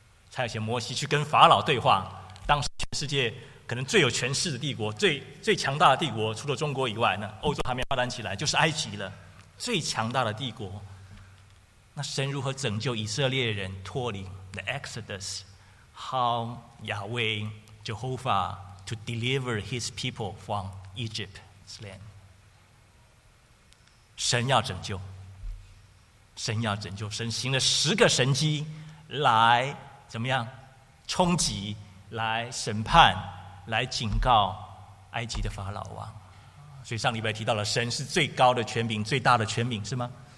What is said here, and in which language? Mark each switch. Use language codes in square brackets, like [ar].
[zh] 差遣摩西去跟法老对话，当时全世界可能最有权势的帝国，最强大的帝国，除了中国以外呢，欧洲还没发展起来，就是埃及了，最强大的帝国。那神如何拯救以色列人脱离 The Exodus? [en] How Yahweh Jehovah to deliver his people from Egypt's land? [zh] 神要拯救，神要拯救，神行了十个神迹来怎么样冲击，来审判，来警告埃及的法老王。所以上礼拜提到了神是最高的权柄，最大的权柄，是吗？